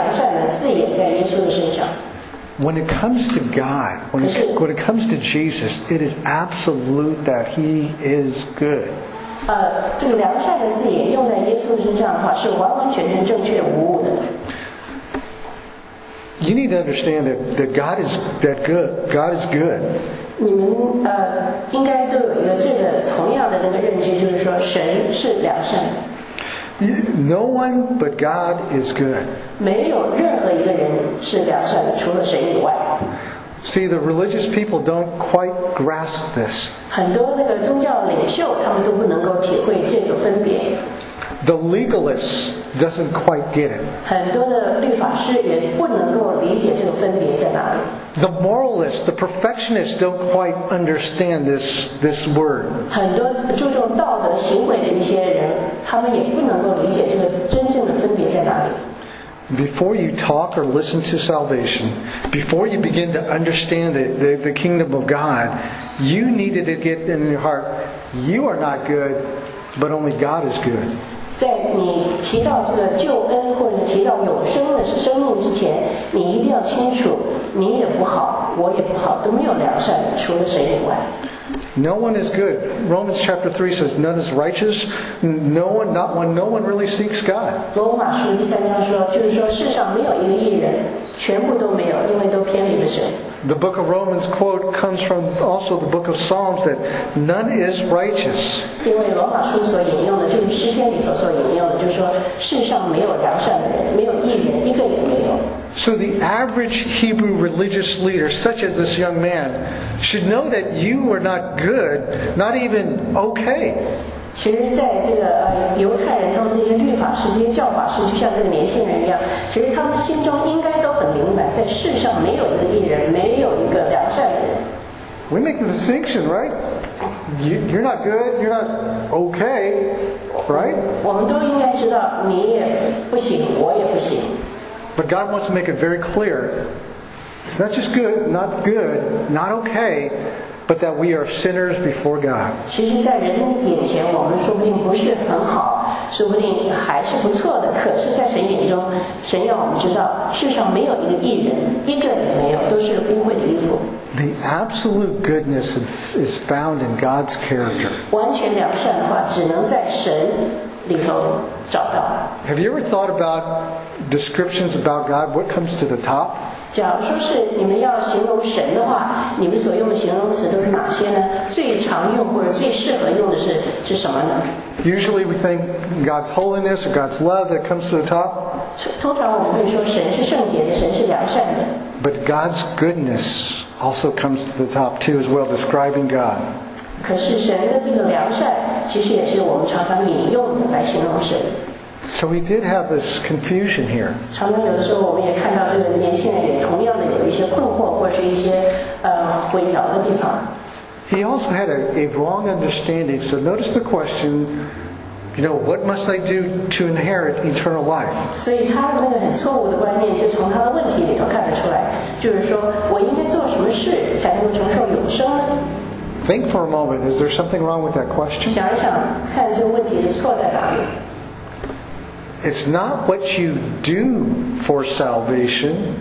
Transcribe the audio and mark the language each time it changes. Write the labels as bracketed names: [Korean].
[English] When it comes to God, when it comes to Jesus, it is absolute that he is good. [Chinese] 这个良善的字眼用在耶稣身上的话，是完完全全正确无误的。 [English] You need to understand that God is that good. God is good. [Chinese] 你们应该都有一个这个同样的那个认知，就是说神是良善的。 [English] No one but God is good. [Chinese] 没有任何一个人是良善的，除了神以外。 [English] See, the religious people don't quite grasp this. [Chinese] 很多那个宗教领袖他们都不能够体会这个分别。 [English] The legalist doesn't quite get it. [Chinese] 很多的律法师也不能够理解这个分别在哪里。 [English] The moralist, the perfectionist don't quite understand this word. [Chinese] 很多注重道德行为的一些人，他们也不能够理解这个真正的分别在哪里。 [English] Before you talk or listen to salvation, before you begin to understand the kingdom of God, you needed to get in your heart, you are not good, but only God is good. [Chinese] 在你提到这个救恩或者提到永生的生命之前，你一定要清楚，你也不好，我也不好，都没有良善，除了神以外。 [English] No one is good. Romans chapter 3 says none is righteous. No one, not one, no one really seeks God. [Chinese] 罗马书第三章说，就是说世上没有一个义人，全部都没有，因为都偏离了神。 [English] The book of Romans quote comes from also the book of Psalms that none is righteous. [Chinese] 因为罗马书所引用的，就是诗篇里头所引用的，就是说世上没有良善的人，没有义人，一个也没有。 [English] So the average Hebrew religious leader, such as this young man, should know that you are not good, not even okay. [Chinese] 其实在这个犹太人他们这些律法师这些教法师就像这个年轻人一样，其实他们心中应该都很明白，在世上没有一个义人，没有一个良善的人。 [English] We make the distinction, right? You're not good, you're not okay, right? [Chinese] 我们都应该知道你也不行，我也不行。 [English] But God wants to make it very clear. It's not just good, not okay, but that we are sinners before God. [Chinese] 其实在人眼前我们说不定不是很好，说不定还是不错的，可是在神眼中，神要我们知道世上没有一个义人，一个也没有，都是污秽的衣服。 [English] The absolute goodness is found in God's character. [Chinese] 完全良善的话只能在神里头找到。 [English] Have you ever thought about descriptions about God, what comes to the top? [Chinese] 假如说是你们要形容神的话，你们所用的形容词都是哪些呢？最常用或者最适合用的是什么呢？ [English] Usually we think God's holiness or God's love that comes to the top. [Chinese] 通常我们会说神是圣洁的，神是良善的。 [English] But God's goodness also comes to the top too as well, describing God. [Chinese] 可是神的这个良善其实也是我们常常引用的来形容神。 [English] So we did have this confusion here. [Chinese] 常常有的时候我们也看到这个年轻人也同样的有一些困惑或是一些混淆的地方。 [English] He also had a wrong understanding. So notice the question, you know, what must I do to inherit eternal life? [Chinese] 所以他的那个很错误的观念就从他的问题里头看得出来，就是说我应该做什么事才能够承受永生呢？ [English] Think for a moment. Is there something wrong with that question? [Chinese] 想一想，看这个问题的错在哪里。 [English] It's not what you do for salvation.